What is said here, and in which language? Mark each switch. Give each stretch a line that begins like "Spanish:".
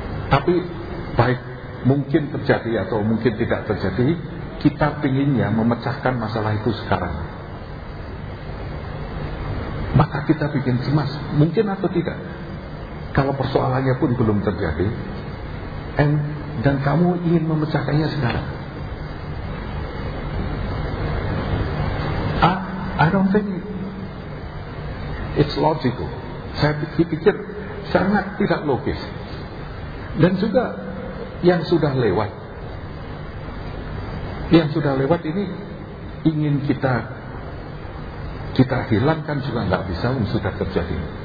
Indonesian: Tapi baik mungkin terjadi atau mungkin tidak terjadi, kita pinginnya memecahkan masalah itu sekarang. Maka kita bikin cemas, mungkin atau tidak. Kalau persoalannya pun belum terjadi, dan kamu ingin memecahkannya sekarang.
English: I don't think it's logical.
Indonesian: Saya pikir sangat tidak logis. Dan juga yang sudah lewat, yang sudah lewat ini ingin kita hilangkan juga nggak bisa, sudah terjadi.